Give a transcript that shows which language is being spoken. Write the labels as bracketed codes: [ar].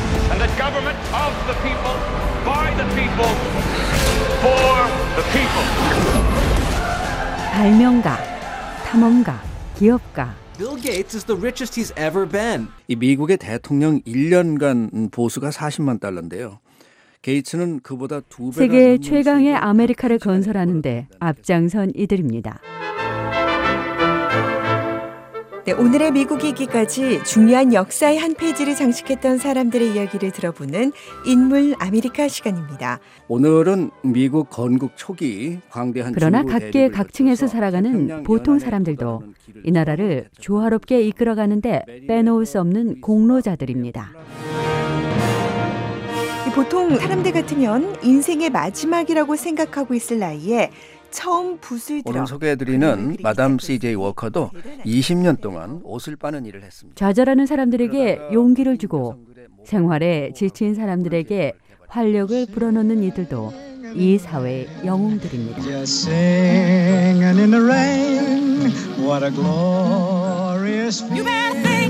[en] And the government of the people, by the people, for the people. [ko] 발명가, 탐험가, 기업가 [en] Bill Gates is the richest he's ever been. [ko] 이 미국의 대통령 1년간 보수가 40만 달러인데요. 게이츠는 그보다 두 배가 세계 최강의 아메리카를 건설하는데 앞장선 이들입니다. 네, 오늘의 미국이기까지 중요한 역사의 한 페이지를 장식했던 사람들의 이야기를 들어보는 인물 아메리카 시간입니다. 오늘은 미국 건국 초기 광대한 그러나 각계 각층에서 살아가는 보통 사람들도 이 나라를 조화롭게 이끌어가는데 빼놓을 수 없는 공로자들입니다. 보통 사람들 같으면 인생의 마지막이라고 생각하고 있을 나이에 처음 부수이더라. 오늘 소개해드리는 마담 CJ 워커도 20년 동안 옷을 빠는 일을 했습니다. 좌절하는 사람들에게 용기를 주고 생활에 지친 사람들에게 활력을 불어넣는 이들도 이 사회의 영웅들입니다. [en] Singing in the rain, what a glorious feeling.